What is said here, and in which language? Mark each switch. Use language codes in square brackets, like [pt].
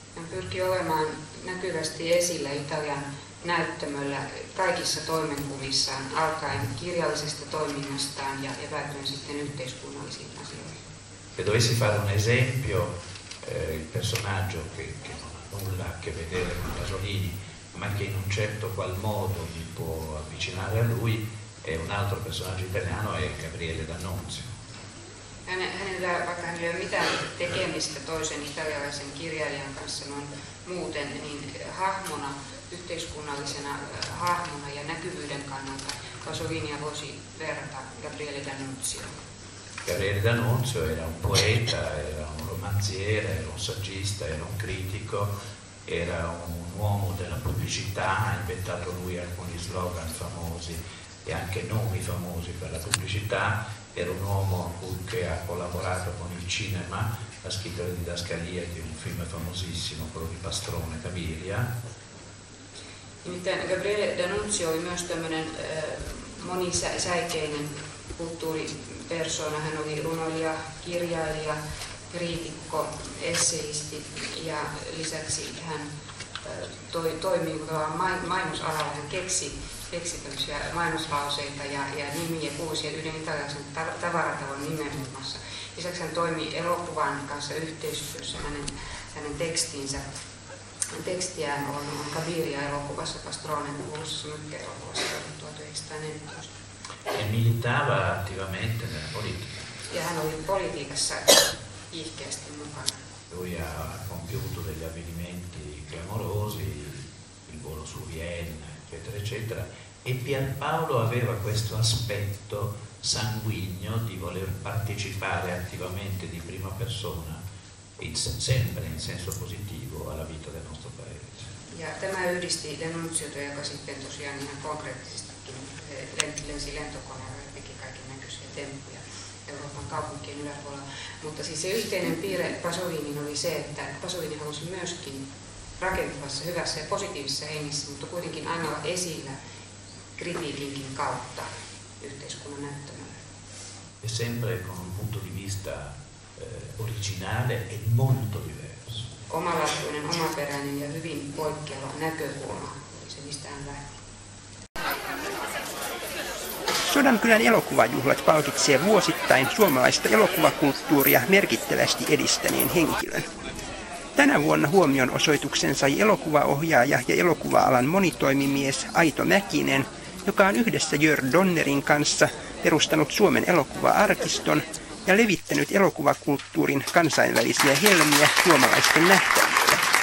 [fi] Pyrki olemaan näkyvästi esillä Italian näyttämöllä kaikissa toimenkuvissaan, alkaen kirjallisesta toiminnastaan ja päätyen sitten yhteiskunnallisiin asioihin. [it] Se dovessi fare un esempio, il personaggio che non ha nulla a che vedere con Pasolini, ma che in un certo qual modo mi può avvicinare a lui, è un altro personaggio italiano, è Gabriele D'Annunzio. [fi] Hänellä, vaikka hänellä ei ole mitään tekemistä toisen italialaisen kirjailijan kanssa noin muuten, niin hahmona, yhteiskunnallisena hahmona ja näkyvyyden kannalta Pasolinia voisi verrata Gabriele D'Annunzioon. [it] Gabriele D'Annunzio era un poeta, era un romanziere, era un saggista, era un critico, era un uomo della pubblicità, ha inventato lui alcuni slogan famosi e anche nomi famosi per la pubblicità, era un uomo che ha collaborato con il cinema, ha scritto la didascalia di un film famosissimo, quello di Pastrone, Caviria. [fi] Gabriele D'Annunzio oli myös tämmöinen monisäikeinen kulttuuripersona. Hän oli runoilija, kirjailija, kriitikko, esseisti ja lisäksi hän toimi mainosalalla. Hän keksi tämmöisiä mainoslauseita ja nimiä uusia yhden italialaisen tavaratalon nimen muun muassa. Lisäksi hän toimi elokuvan kanssa yhteistyössä hänen tekstinsä. Tekstiään on Caviria-elokuvassa, Pastrone, uusissa mykkä-elokuvassa 1914. [it] E militava attivamente nella politica. [fi] Ja hän oli politiikassa ihkeästi mukana. [it] Lui ha compiuto degli avvenimenti clamorosi, il volo su Vienna, eccetera, eccetera. E Pierpaolo aveva questo aspetto sanguigno di voler partecipare attivamente di prima persona, sempre in senso positivo, alla vita del nostro paese. [fi] Ja tämä yhdisti denunziota, joka sitten tosiaan ihan konkreettisesti lensi lentokoneella ja teki kaiken näköisiä temppuja Euroopan kaupunkien yläpuolella. Mutta siis se yhteinen piirre Pasolinin oli se, että Pasolini halusi myöskin rakentavassa, hyvässä ja positiivisessa hengissä, mutta kuitenkin aina olla esillä kritiikinkin kautta yhteiskunnan näyttämällä. [it] E sempre con un punto di vista originale e molto diverso. [fi] Omalaatuinen, omaperäinen ja hyvin poikkeava näkökulma oli se, mistä hän lähti. Sodankylän elokuvajuhlat palkitsee vuosittain suomalaista elokuvakulttuuria merkittävästi edistäneen henkilön. Tänä vuonna huomion osoituksen sai elokuvaohjaaja ja elokuva-alan monitoimimies Aito Mäkinen, joka on yhdessä Jörg Donnerin kanssa perustanut Suomen elokuva-arkiston ja levittänyt elokuvakulttuurin kansainvälisiä helmiä suomalaisten nähtäville.